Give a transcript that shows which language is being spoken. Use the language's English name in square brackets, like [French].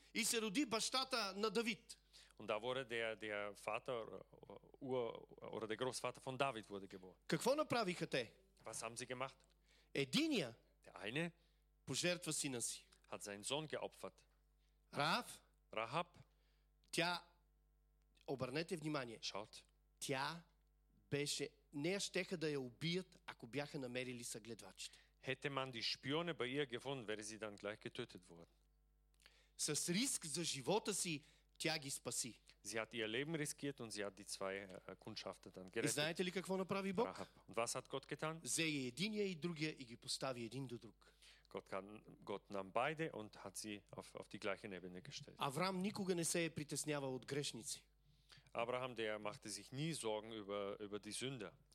[Bulgarian] и се роди бащата на Давид. [German] Und da wurde der Vater oder der Großvater von David wurde geboren. [Bulgarian] Какво направиха те? [German] Was haben sie gemacht? [Bulgarian] Единия. [German] Der eine. [Bulgarian] Пожертва сина си. [German] Hat seinen Sohn geopfert. [Bulgarian] Rahab. Тя, обърнете внимание. [German] Schaut. [Bulgarian] Тя беше. Нея щеха да я убият, ако бяха намерили съгледвачите. [German] Hätte man die Spione bei ihr gefunden, wäre sie dann gleich getötet worden. [Bulgarian] С риск за живота си, тя ги спаси. [German] Sie hat ihr Leben riskiert und sie hat die zwei Kundschafter dann gerettet. [Bulgarian] Знаете ли какво направи Бог? [German] Und was hat Gott getan? [Bulgarian] Взе единия и другия и ги постави един до друг. [German] Gott nahm beide und hat sie auf die gleiche Ebene gestellt. [Bulgarian] Авраам никога не се е притеснявал от грешници. [German] Abraham, der machte sich nie Sorgen über die Sünder.